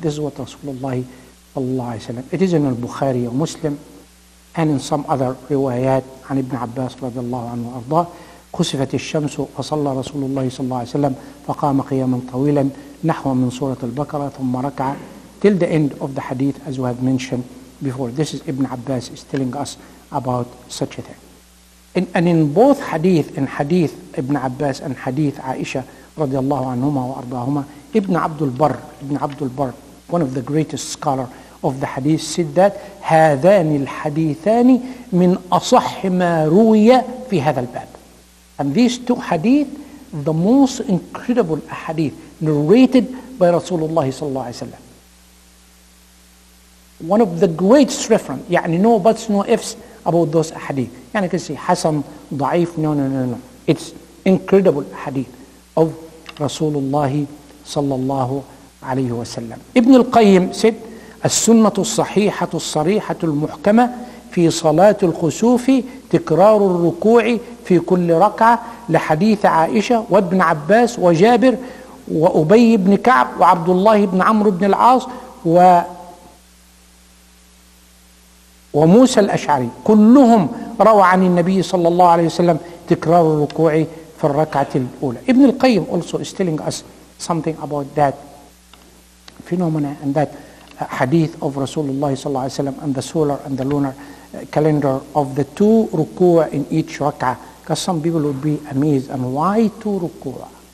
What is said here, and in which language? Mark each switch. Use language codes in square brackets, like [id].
[en] This is what [ar] رسول الله صلى الله عليه وسلم. [en] It is in [ar] البخاري ومسلم [en] and in some other [ar] روايات عن ابن عباس رضي الله عنه وأرضاه. كسفت الشمس وصلى رسول الله صلى الله عليه وسلم فقام قياما طويلا نحو من سورة البقرة ثم ركع. [en] Till the end of the hadith as we have mentioned before. This is Ibn Abbas is telling us about such a thing. In both hadith Ibn Abbas and hadith Aisha [ar] رضي الله عنهما وأرضاهما, [en] Ibn Abdul Barr, one of the greatest scholar of the hadith, said that [ar] هذان الحديثان من أصح ما روي في هذا الباب. [en] And these two hadith, the most incredible hadith narrated by Rasulullah [ar] صلى الله عليه وسلم. [en] One of the greatest reference, يعني no buts, no ifs about those hadith. يعني you can say [ar] حسن ضعيف, [en] no. It's incredible hadith of Rasulullah [ar] صلى الله عليه وسلم. ابن القيم [en] said [ar] السنة الصحيحة الصريحة المحكمة في صلاة الخسوف تكرار الركوع في كل ركعة لحديث عائشة وابن عباس وجابر وأبي بن كعب وعبد الله بن عمرو بن العاص وموسى الأشعري كلهم روى عن النبي صلى الله عليه وسلم تكرار الركوع في الركعة الأولى. [en] ابن القيم also is telling us something about that phenomena and that hadith of Rasulullah [ar] صلى الله عليه وسلم [en] and the solar and the lunar calendar of the two ruku'a in each rak'ah. Because some people would be amazed. And why two ruku'a?